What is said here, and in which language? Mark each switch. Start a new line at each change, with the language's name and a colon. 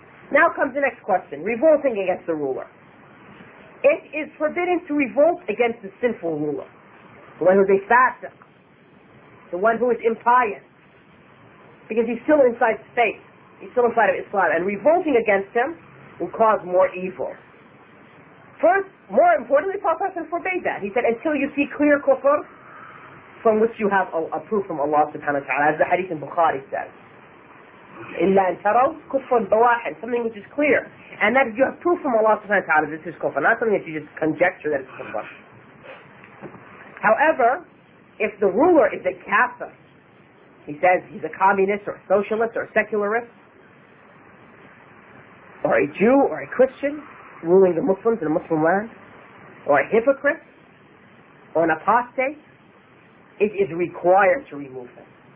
English: Now comes the next question, revolting against the ruler. It is forbidden to revolt against the sinful ruler, the one who is a fasik, the one who is impious, because he's still inside faith. He's still inside of Islam, and revolting against him will cause more evil. First, more importantly, Prophet forbade that. He said, until you see clear kufr, from which you have a proof from Allah subhanahu wa ta'ala, as the hadith in Bukhari says.
Arabic: إِلَّا أَن تَرَوْا كُفْرًا بَوَاحًا,
English: something which is clear. And that if you have proof from Allah subhanahu wa ta'ala, this is kufr, not something that you just conjecture that it's kufr. However, if the ruler is a kafir, he says he's a communist or a socialist or a secularist, or a Jew or a Christian ruling the Muslims in a Muslim land, or a hypocrite, or an apostate, it is required to remove them.